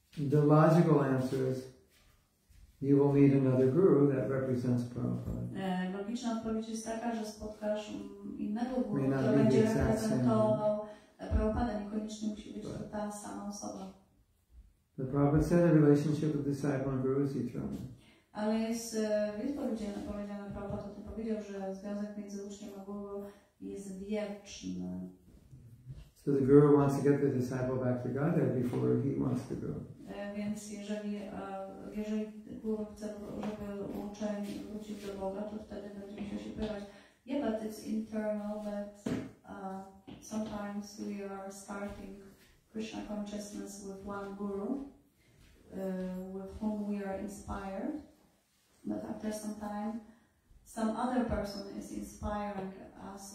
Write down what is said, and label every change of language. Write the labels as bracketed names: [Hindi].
[English] The logical answer is you will meet another guru that represents Prabhupada. May not be the exact same. The Prabhupada said the relationship of disciple and guru is eternal. [Polish] Ale jest powiedziane, Prabhupada to powiedział, że związek między uczniem a guru jest wieczny. [English] So the guru wants to get the disciple back to Godhead before he wants to go. [Polish] Więc jeżeli guru chce, żeby uczeń wrócił do Boga, to wtedy będzie musiał się pytać. [English] Yeah, but it's internal that sometimes we are starting Krishna consciousness with one guru with whom we are inspired. But after some time, some other person is inspiring us.